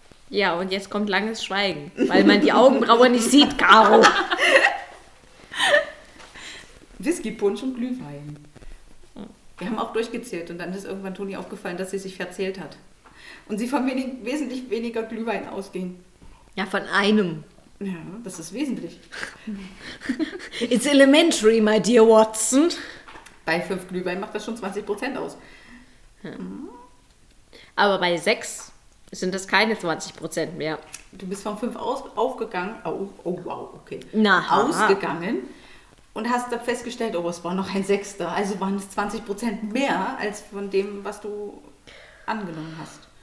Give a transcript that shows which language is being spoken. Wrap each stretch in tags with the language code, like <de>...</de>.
<de>Ja, und jetzt kommt langes Schweigen, weil man die Augenbraue nicht sieht, Caro. Whisky-Punsch und Glühwein. Wir haben auch durchgezählt und dann ist irgendwann Toni aufgefallen, dass sie sich verzählt hat. Und sie von wesentlich weniger Glühwein ausging. Ja, von einem. Ja, das ist wesentlich.</de> <en>It's elementary, my dear Watson.</en> <de>Bei 5 Glühwein macht das schon 20% aus. Hm. Aber bei 6 sind das keine 20% mehr. Du bist von 5 aufgegangen. Oh, wow, okay. Na, ausgegangen. Und hast festgestellt, oh, es war noch ein 6. Also waren es 20% mehr als von dem, was du angenommen hast.</de>